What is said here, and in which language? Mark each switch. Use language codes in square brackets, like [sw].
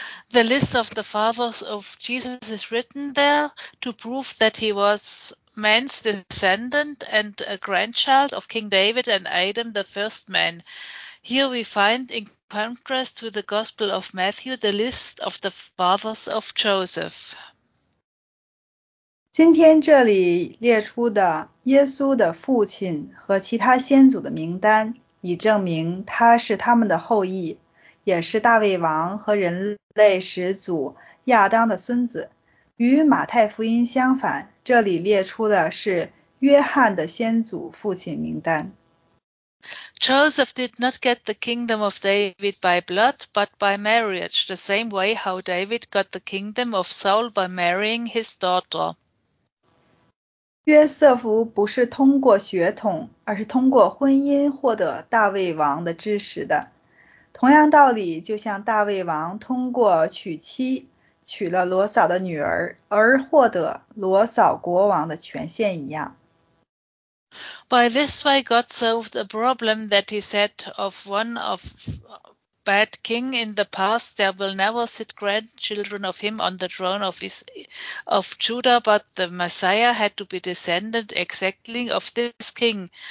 [en] The list of the fathers of Jesus is written there to prove that he was man's descendant and a grandchild of King David and Adam, the first man. Here we find, in contrast to the Gospel of Matthew, the list of the fathers of Joseph. [zh] 今天这里列出的耶稣的父亲和其他先祖的名单，以证明他是他们的后裔，也是大卫王和人类始祖亚当的孙子。与马太福音相反，这里列出的是约翰的先祖父亲名单。 [en] Joseph did not get the kingdom of David by blood, but by marriage, the same way how David got the kingdom of Saul by marrying his daughter. [zh] 约瑟夫不是通过血统，而是通过婚姻获得大卫王的支持的。同样道理，就像大卫王通过娶妻娶了罗扫的女儿，而获得罗扫国王的权限一样。 [en] By this way, God solved a problem that he said of one of bad king in the past, there will never sit grandchildren of him on the throne of Judah, but the Messiah had to be descended exactly of this king.